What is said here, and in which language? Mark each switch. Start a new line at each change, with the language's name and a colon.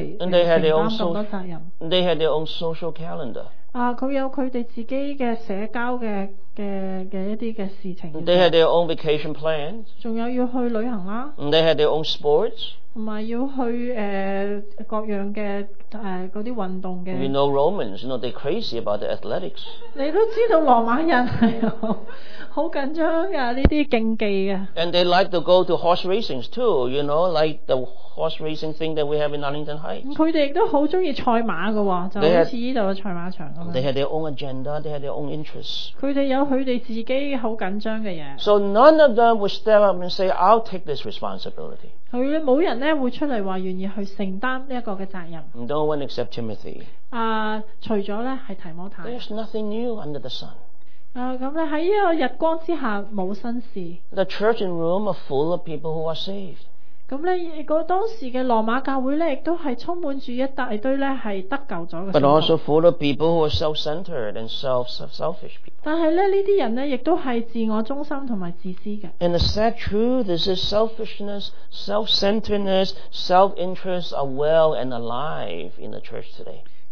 English: They had their own social calendar.
Chinese: 他有他們自己的社交的事情。
English: They had their own vacation plans.
Chinese: 還有要去旅行啦。
English: They had their own sports.
Chinese: 還有要去各樣的運動的。
English: You know Romans, you know they're crazy about the athletics.
Chinese: 你都知道羅馬人很緊張的,這些競技的。
English: And they like to go to horse racings too, you know, like the horse racing thing that we have in Arlington Heights.
Chinese: 他們也很喜歡賽馬的,就像這裡的賽馬場那樣。
English: They had their own agenda, they had their own interests.
Chinese: 他們有他們自己很緊張的事。
English: So none of them would step up and say, I'll take this responsibility.
Chinese: 沒有人會出來說願意去承擔這個責任。
English: No one except Timothy.
Chinese: 除了是提摩太。
English: There's nothing new under the sun.
Chinese: 在這個日光之下沒有新事。
English: The church in Rome are full of people who are saved.
Chinese: 當時的羅馬教會也充滿著一大堆得救了的信徒。
English: But also full of people who are self-centered and selfish people.
Chinese: 但是這些人也是自我中心和自私的。
English: And the sad truth is that selfishness, self-centeredness, self-interest are well and alive in the church today.